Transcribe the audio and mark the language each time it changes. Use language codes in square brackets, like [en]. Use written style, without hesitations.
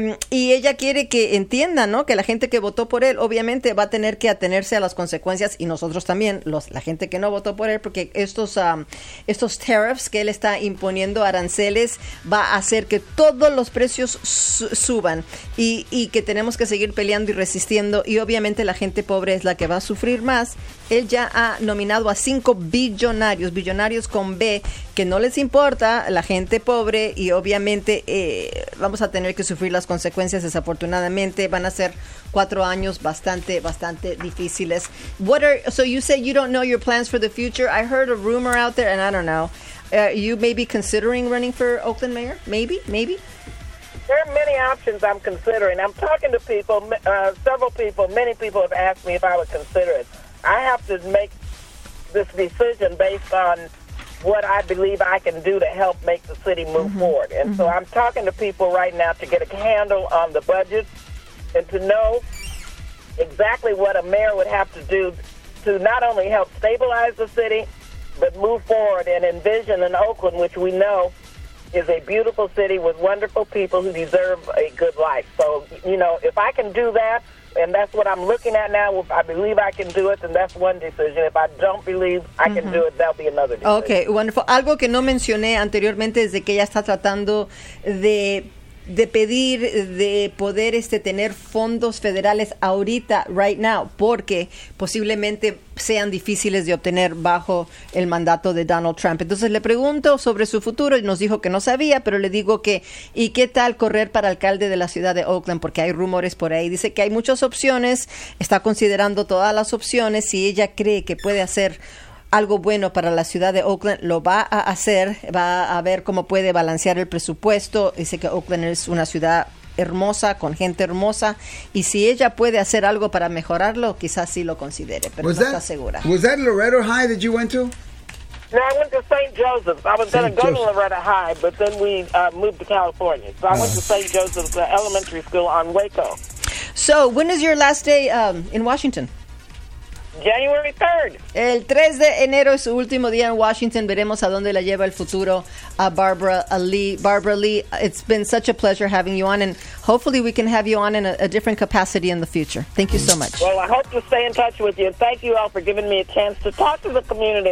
[es] Y ella quiere que entienda, ¿no?, que la gente que votó por él, obviamente, va a tener que atenerse a las consecuencias, y nosotros también, la gente que no votó por él, porque estos tariffs que él está imponiendo, aranceles, va a hacer que todos los precios suban y que tenemos que seguir peleando y resistiendo, y obviamente la gente pobre es la que va a sufrir más. Él ya ha nominado a 5 billonarios con B, que no les importa la gente pobre, y obviamente vamos a tener que sufrir las consecuencias. Desafortunadamente van a ser 4 años bastante, bastante difíciles. [en] So you say you don't know your plans for the future. I heard a rumor out there, and I don't know. You may be considering running for Oakland mayor? Maybe? There are many options I'm considering. I'm talking to people, several people, many people have asked me if I would consider it. I have to make this decision based on what I believe I can do to help make the city move mm-hmm. forward. And mm-hmm. so I'm talking to people right now to get a handle on the budget and to know exactly what a mayor would have to do to not only help stabilize the city, but move forward and envision an Oakland, which we know is a beautiful city with wonderful people who deserve a good life. So, you know, if I can do that, and that's what I'm looking at now, if I believe I can do it, then that's one decision. If I don't believe I can mm-hmm. do it, that'll be another decision. Okay, wonderful. [es] Algo que no mencioné anteriormente es de que ella está tratando de pedir de poder tener fondos federales ahorita, [en] right now, [es] porque posiblemente sean difíciles de obtener bajo el mandato de Donald Trump. Entonces le pregunto sobre su futuro y nos dijo que no sabía, pero le digo que, ¿y qué tal correr para alcalde de la ciudad de Oakland? Porque hay rumores por ahí. Dice que hay muchas opciones, está considerando todas las opciones, y ella cree que puede hacer algo bueno para la ciudad de Oakland, lo va a hacer, va a ver cómo puede balancear el presupuesto. Dice que Oakland es una ciudad hermosa, con gente hermosa, y si ella puede hacer algo para mejorarlo, quizás sí lo considere, pero [en] was [es] no [en] that, [es] está segura. [en] ¿Was that Loretta High that you went to? No, I went to St. Joseph's. I was going to go to Loretta High, but then we moved to California. So I went to St. Joseph's Elementary School on Waco. So when is your last day in Washington? January 3rd. [es] El 3 de enero es su último día en Washington. Veremos a dónde la lleva el futuro a Barbara Lee. [en] Barbara Lee, it's been such a pleasure having you on, and hopefully we can have you on in a different capacity in the future. Thank you so much. Well, I hope to stay in touch with you. Thank you all for giving me a chance to talk to the community.